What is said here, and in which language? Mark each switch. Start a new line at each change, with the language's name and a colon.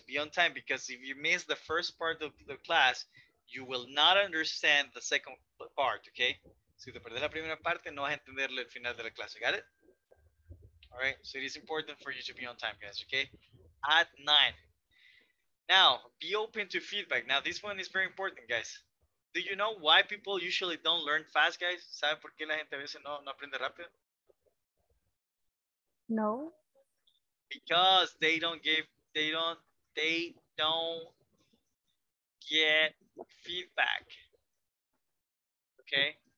English: Be on time because if you miss the first part of the class, you will not understand the second part, okay?
Spanish: Si te perdés la primera parte, no vas a entender el final de la clase.
English: Got it? All right. So it is important for you to be on time, guys, okay? At 9. Now, be open to feedback. Now, this one is very important, guys. Do you know why people usually don't learn fast, guys?
Spanish: ¿Saben por qué la gente a veces no aprende rápido? No.
English: Because they don't get feedback. Okay?